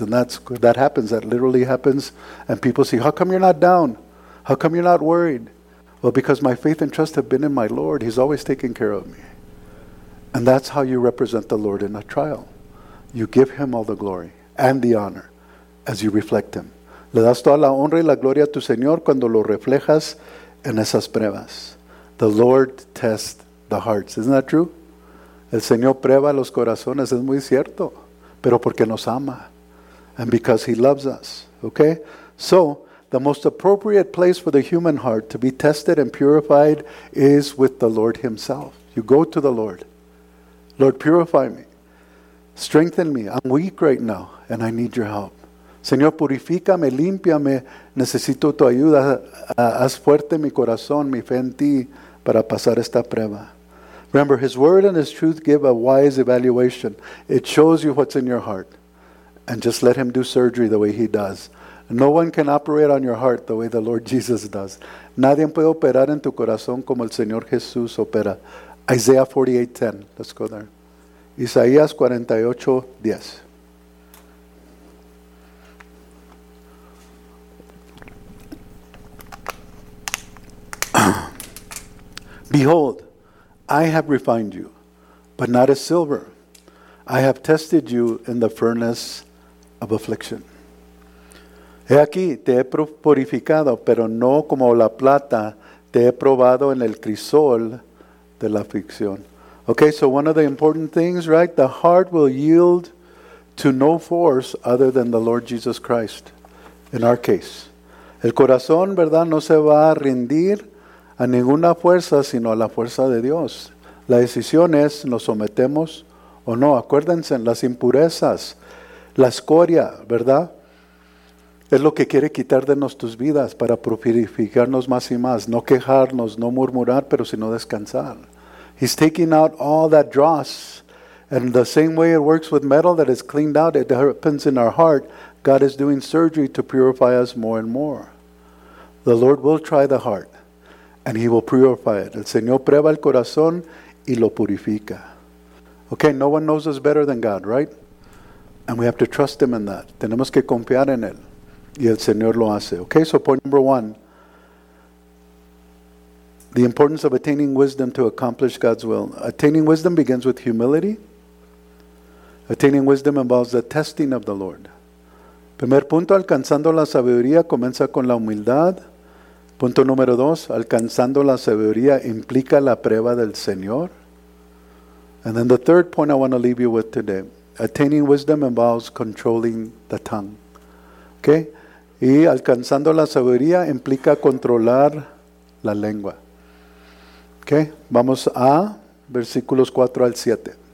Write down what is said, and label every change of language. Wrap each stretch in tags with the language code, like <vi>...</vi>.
<en>And that happens. That literally happens. And people say, how come you're not down? How come you're not worried? Well, because my faith and trust have been in my Lord. He's always taken care of me. And that's how you represent the Lord in a trial. You give him all the glory and the honor as you reflect him.</en> <es>Le das toda la honra y la gloria a tu Señor cuando lo reflejas en esas pruebas.</es> <en>The Lord tests the hearts. Isn't that true?</en> <es>El Señor prueba los corazones. Es muy cierto. Pero porque nos ama.</es> <en>And because he loves us. Okay? So, the most appropriate place for the human heart to be tested and purified is with the Lord himself. You go to the Lord. Lord, purify me. Strengthen me. I'm weak right now. And I need your help.</en> <es>Señor, purifícame, límpiame. Necesito tu ayuda. Haz fuerte mi corazón, mi fe en ti, para pasar esta prueba.</es> <en>Remember, his word and his truth give a wise evaluation. It shows you what's in your heart. And just let him do surgery the way he does. No one can operate on your heart the way the Lord Jesus does.</en> <es>Nadie puede operar en tu corazón como el Señor Jesús opera.</es> <en>Isaiah 48:10. Let's go there. Isaías 48:10. Behold, I have refined you, but not as silver. I have tested you in the furnace of affliction.</en> <es>He aquí, te he purificado, pero no como la plata, te he probado en el crisol de la aflicción.</es> <en>Okay, so one of the important things, right? The heart will yield to no force other than the Lord Jesus Christ, in our case.</en> <es>El corazón, ¿verdad?, no se va a rendir a ninguna fuerza, sino a la fuerza de Dios. La decisión es, ¿nos sometemos o no? Acuérdense, las impurezas, la escoria, ¿verdad? Es lo que quiere quitar de nuestras vidas para purificarnos más y más. No quejarnos, no murmurar, pero sino descansar.</es> <en>He's taking out all that dross. And the same way it works with metal that is cleaned out, it happens in our heart. God is doing surgery to purify us more and more. The Lord will try the heart. And he will purify it.</en> <es>El Señor prueba el corazón y lo purifica.</es> <en>Okay, no one knows us better than God, right? And we have to trust him in that.</en> <es>Tenemos que confiar en él. Y el Señor lo hace.</es> <en>Okay, so point number one. The importance of attaining wisdom to accomplish God's will. Attaining wisdom begins with humility. Attaining wisdom involves the testing of the Lord.</en> <es>Primer punto, alcanzando la sabiduría, comienza con la humildad. Punto número dos, alcanzando la sabiduría implica la prueba del Señor.</es> <en>And then the third point I want to leave you with today. Attaining wisdom involves controlling the tongue. Okay?</en> <es>Y alcanzando la sabiduría implica controlar la lengua. Okay? Vamos a versículos 4 al 7.</es>